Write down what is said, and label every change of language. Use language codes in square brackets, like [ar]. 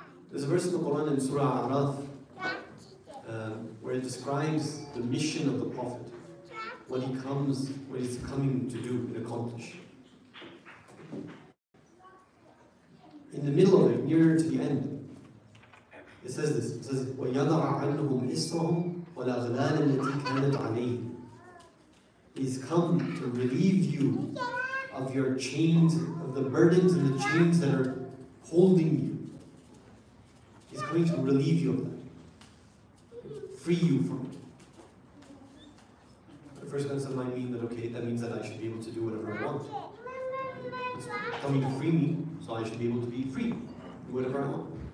[en] There's a verse in the Quran in Surah Al-A'raf, where it describes the mission of the Prophet, what he comes, what he's coming to do and accomplish. In the middle of it, nearer to the end, it says this. [ar] It says, وَيَضَعَ عَنْهُمْ إِسْرَهُمْ وَالْأَغْلَالَ الَّتِي كَانَتْ عَلَيْهِ. [en] He's come to relieve you of your chains, of the burdens and the chains that are holding you. He's coming to relieve you of that. Free you from it. The first glance might mean that, okay, that means that I should be able to do whatever I want. It's coming to free me, so I should be able to be free, do whatever I want.